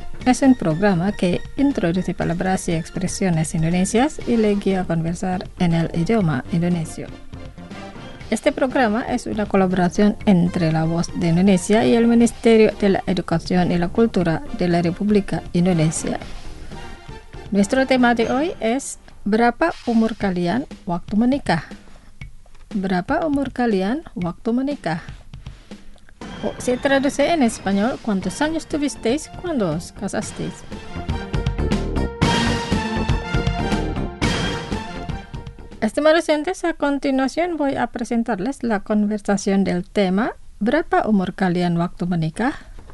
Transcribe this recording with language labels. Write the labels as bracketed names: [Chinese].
[Spanish] Es un programa que introduce palabras y expresiones indonesias y le guía a conversar en el idioma indonesio. Este programa es una colaboración entre La Voz de Indonesia y el Ministerio de la Educación y la Cultura de la República Indonesia. Nuestro tema de hoy es [Indonesian] ¿Berapa umur kalian waktu menikah? ¿Berapa umur kalian waktu menikah? [Spanish] Se traduce en español, ¿cuántos años tuvisteis cuando os casasteis? Estimados oyentes, a continuación voy a presentarles la conversación del tema [Indonesian] ¿Berapa umur kalian waktu menikah?